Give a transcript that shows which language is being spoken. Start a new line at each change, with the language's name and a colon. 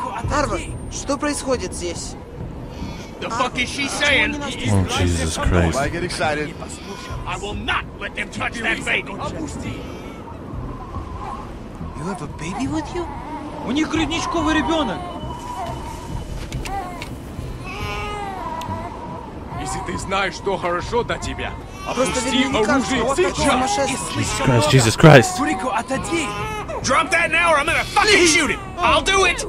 Russian: Арвo, что происходит здесь?
English: The fuck is she saying? Oh, Jesus Christ. Why get excited? I will not let them touch that baby.
Russian: Опусти.
English: You have a baby with you?
Russian: У них родничковый ребенок. Если ты знаешь, что хорошо для тебя, опусти оружие сейчас.
English: Jesus Christ. Drop that now or I'm gonna fucking shoot it. I'll do it.